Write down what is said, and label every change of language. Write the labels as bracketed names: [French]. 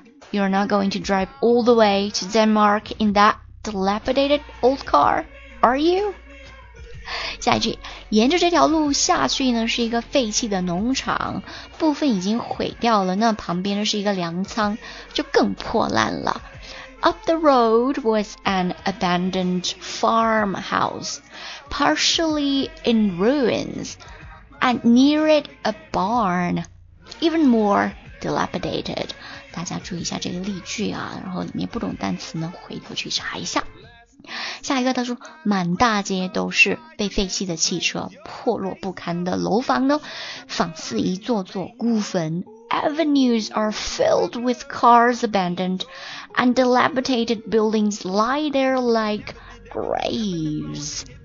[English] You're not going to drive all the way to Denmark in that dilapidated old car, are you? [Chinese] 下一句，沿着这条路下去呢，是一个废弃的农场，部分已经毁掉了，那旁边呢是一个粮仓，就更破烂了。 [English] Up the road was an abandoned farmhouse, partially in ruins, and near it a barn, even more dilapidated. [Chinese] 大家注意一下这个例句啊，然后里面不懂单词呢回头去查一下。下一个他说，满大街都是被废弃的汽车，破落不堪的楼房呢仿似一座座孤坟。 [English] Avenues are filled with cars abandoned and dilapidated buildings lie there like graves.